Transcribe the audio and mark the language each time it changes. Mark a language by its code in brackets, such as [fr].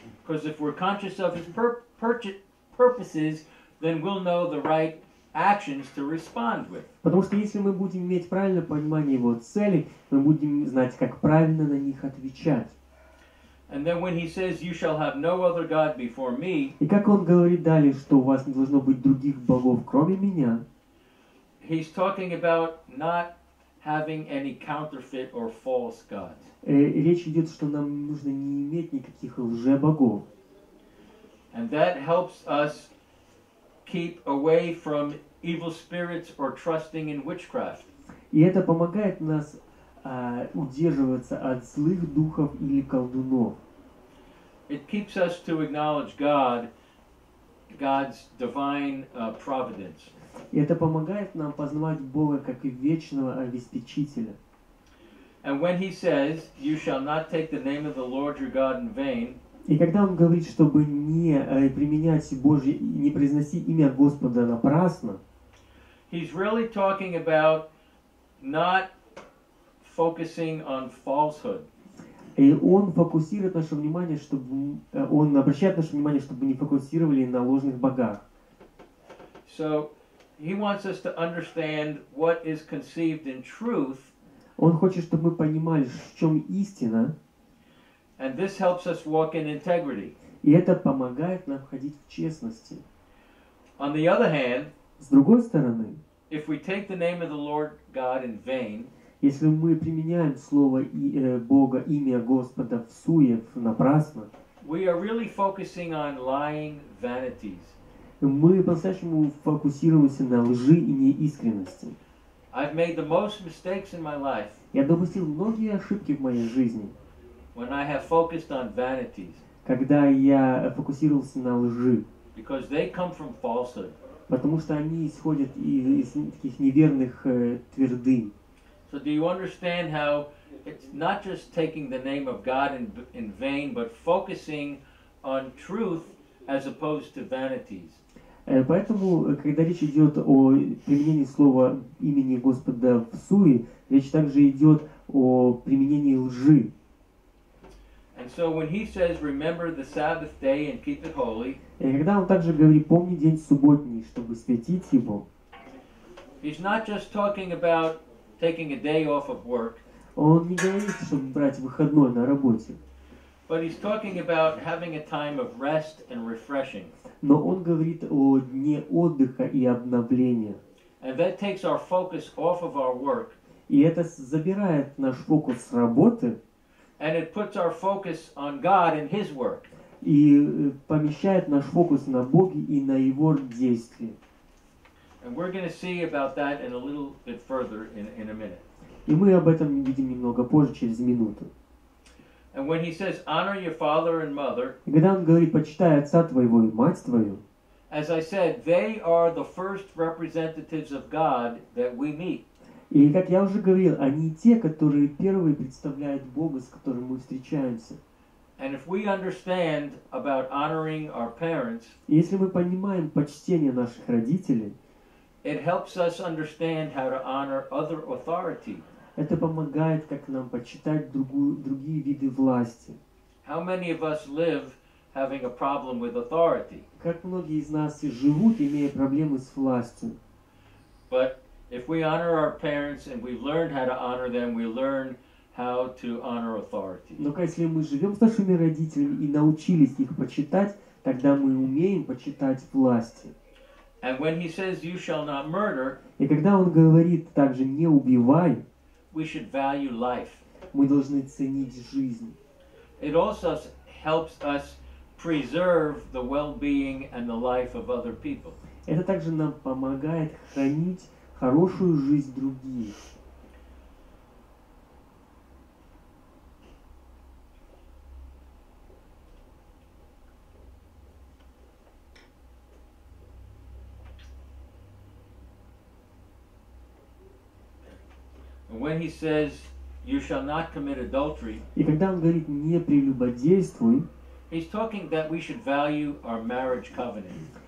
[en] Because if we're conscious of His purposes, then we'll know the right actions to respond with. [ru] Потому что если мы будем иметь правильное понимание Его целей, мы будем знать, как правильно на них отвечать. [en] And then when He says, "You shall have no other God before Me," [ru] и как Он говорит далее, что у вас не должно быть других богов, кроме Меня, [en] He's talking about not having any counterfeit or false gods. [ru] Речь идет, что нам нужно не иметь никаких лже-богов. [en] And that helps us keep away from evil spirits or trusting in witchcraft. [ru] И это помогает нас удерживаться от злых духов или колдунов. [en] It keeps us to acknowledge God, God's divine providence. [ru] И это помогает нам познавать Бога как вечного обеспечителя. [en] And when He says, "You shall not take the name of the Lord your God in vain," [ru] и когда Он говорит, чтобы не произносить имя Господа напрасно, [en] He's really talking about not focusing on falsehood. [ru] И он фокусирует наше внимание, чтобы он обращает наше внимание, чтобы не фокусировали на ложных богах. [en] So he wants us to understand what is conceived in truth. [ru] Он хочет, чтобы мы понимали, в чем истина. [en] And this helps us walk in integrity. [ru] И это помогает нам ходить в честности. [en] On the other hand, [ru] с другой стороны, [en] if we take the name of the Lord God in vain, [ru] если мы применяем слово Бога, имя Господа в суе, напрасно, [en] we are really focusing on lying vanities. [ru] Мы по-настоящему фокусируемся на лжи и неискренности. [en] I've made the most mistakes in my life. [ru] Я допустил многие ошибки в моей жизни. [en] When I have focused on vanities. [ru] Когда я фокусировался на лжи. [en] Because they come from falsehood. [ru] Потому что они исходят из таких неверных твердынь. [en] So do you understand how it's not just taking the name of God in vain, but focusing on truth as opposed to vanities? [ru] Поэтому, когда речь идет о применении слова имени Господа в суе, речь также идет о применении лжи. [en] And so when he says, remember the Sabbath day and keep it holy, [ru] и когда он также говорит, помни день субботний, чтобы святить его, [en] he's not just talking about taking a day off of work, [ru] он не говорит, чтобы брать выходной на работе, [en] but he's talking about having a time of rest and refreshing. [ru] Но он говорит о дне отдыха и обновления. [en] And that takes our focus off of our work. [ru] И это забирает наш фокус с работы. [en] And it puts our focus on God and His work. [ru] И помещает наш фокус на Боге и на Его действии. [en] And we're going to see about that in a little bit further in a minute. [ru] И мы об этом увидим немного позже, через минуту. [en] And when he says, honor your father and mother, [ru] когда он говорит, почитай отца твоего и мать твою, [en] as I said, they are the first representatives of God that we meet. [ru] И как я уже говорил, они те, которые первые представляют Бога, с которым мы встречаемся. [en] And if we understand about honoring our parents, [ru] если мы понимаем почтение наших родителей, [en] it helps us understand how to honor other authority. [ru] Это помогает, как нам почитать другие виды власти. [en] How many of us live having a problem with authority? [ru] Как многие из нас живут, имея проблемы с властью. [en] But if we honor our parents and we learn how to honor them, we learn how to honor authority. [ru] Но если мы живем с нашими родителями и научились их почитать, тогда мы умеем почитать власти. [en] And when he says, you shall not murder, [ru] и когда он говорит также, не убивай, [en] we should value life. [ru] Мы должны ценить жизнь. [en] It also helps us preserve the well-being and the life of other people. [ru] Это также нам помогает хранить хорошую жизнь других. [en] When he says, "You shall not commit adultery," [ru] и когда он говорит не прелюбодействуй, [en] he's talking that we should value our marriage covenant.